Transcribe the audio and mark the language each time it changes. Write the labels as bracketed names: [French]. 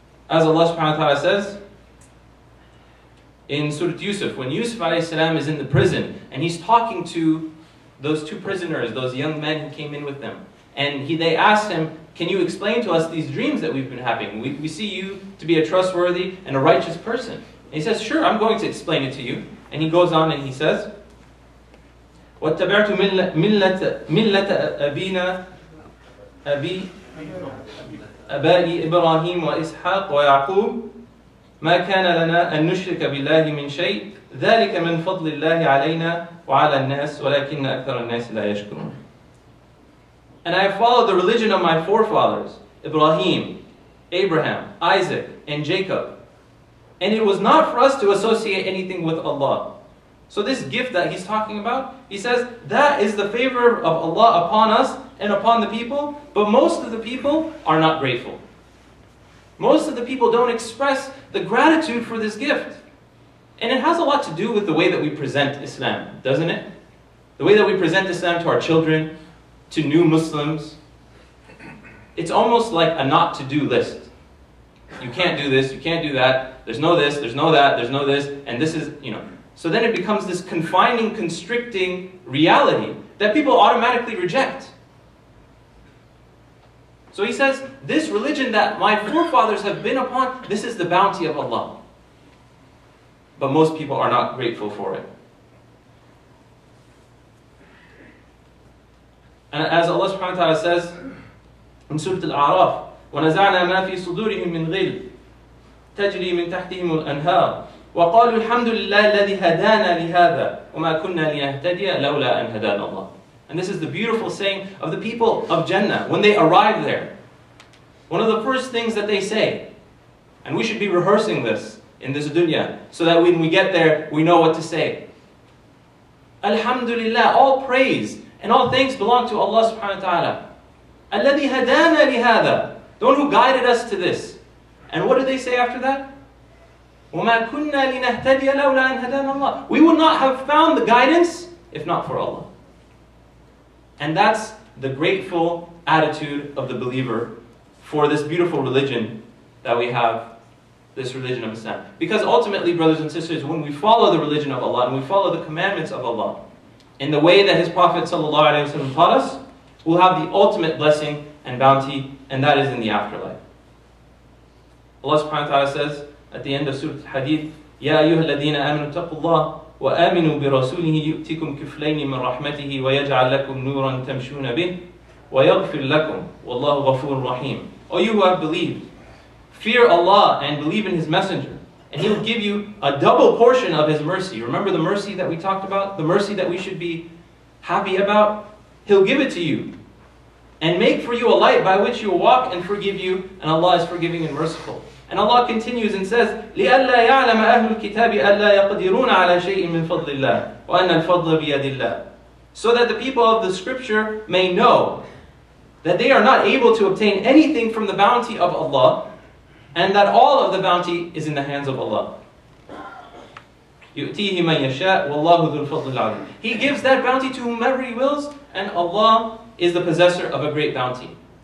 [English] As Allah subhanahu wa ta'ala says in Surah Yusuf, when Yusuf alayhi salam is in the prison and he's talking to those two prisoners, those young men who came in with them, and they asked him, can you explain to us these dreams that we've been having? We see you to be a trustworthy and a righteous person. And he says, sure, I'm going to explain it to you. And he goes on and he says, [Arabic] وَاتَّبَعْتُ مِلَّةَ أَبِينَا أَبَائِي إِبْرَاهِيمُ وَإِسْحَاقُ وَيَعْقُوبُ مَا كَانَ لَنَا أَن نُشْرِكَ بِاللَّهِ مِنْ شَيْءٍ ذَلِكَ مِنْ فَضْلِ اللَّهِ عَلَيْنَا وَعَلَى النَّاسِ وَلَكِنَّ أَكْثَرَ النَّاسِ لَا يَشْكُرُونَ. [English] And I have followed the religion of my forefathers, Ibrahim, Abraham, Isaac, and Jacob. And it was not for us to associate anything with Allah. So this gift that he's talking about, he says, that is the favor of Allah upon us and upon the people, but most of the people are not grateful. Most of the people don't express the gratitude for this gift. And it has a lot to do with the way that we present Islam, doesn't it? The way that we present Islam to our children, to new Muslims. It's almost like a not-to-do list. You can't do this, you can't do that, there's no this, there's no that, there's no this, and this is, you know. So then it becomes this confining, constricting reality that people automatically reject. So he says, this religion that my forefathers have been upon, this is the bounty of Allah. But most people are not grateful for it. And as Allah subhanahu wa ta'ala says in Surah Al-A'raf, [Arabic] وَنَزَعْنَا مَا فِي صُدُورِهِمْ مِنْ غِلٍ تَجْرِي مِنْ تَحْتِهِمُ الْأَنْهَارِ وَقَالُوا الْحَمْدُ لِلَّهِ الَّذِي هَدَانَا لِهَذَا وَمَا كُنَّا لِيَهْتَدِيَ لَوْلَا أَنْ هَدَانَا اللَّهِ. [English] And this is the beautiful saying of the people of Jannah when they arrive there. One of the first things that they say, and we should be rehearsing this in this dunya so that when we get there, we know what to say. Alhamdulillah, all praise and all thanks belong to Allah subhanahu wa ta'ala. [Arabic] Alladhi hadana li hadha, [English] the one who guided us to this. And what do they say after that? [Arabic] وَمَا كُنَّا لِنَهْتَدِيَ لَوْلَا أَنْ هَدَانَا اللَّهِ. [English] We would not have found the guidance if not for Allah. And that's the grateful attitude of the believer for this beautiful religion that we have, this religion of Islam. Because ultimately, brothers and sisters, when we follow the religion of Allah and we follow the commandments of Allah, in the way that His Prophet taught us, we'll have the ultimate blessing and bounty, and that is in the afterlife. Allah subhanahu wa ta'ala says at the end of Surah Al-Hadith, [Arabic] يَا أَيُّهَا الَّذِينَ آمِنُوا تَقُوا اللَّهِ وَآمِنُوا بِرَسُولِهِ يُؤْتِكُمْ كِفْلَيْنِ مِنْ رَحْمَتِهِ وَيَجْعَلْ لَكُمْ نُورًا تَمْشُونَ بِهِ وَيَغْفِرْ لَكُمْ وَاللَّهُ غَفُورٌ رَحِيمٌ. [English] O you who have believed, fear Allah and believe in His Messenger, and He'll give you a double portion of His mercy. Remember the mercy that we talked about? The mercy that we should be happy about? He'll give it to you. And make for you a light by which you'll walk and forgive you. And Allah is forgiving and merciful. And Allah continues and says, [Arabic] لِأَلَّا يَعْلَمَ أَهْلُ الْكِتَابِ أَلَّا يَقْدِرُونَ عَلَى شَيْءٍ مِّن فَضْلِ اللَّهِ وَأَنَّ الْفَضْلَ بِيَدِ اللَّهِ. [English] So that the people of the scripture may know that they are not able to obtain anything from the bounty of Allah, and that all of the bounty is in the hands of Allah. [Arabic] يُؤْتِيهِ مَنْ يَشَاءُ وَاللَّهُ ذُو الْفَضْلِ الْعَظِيمِ. [English] He gives that bounty to whomever He wills, and Allah is the possessor of a great bounty.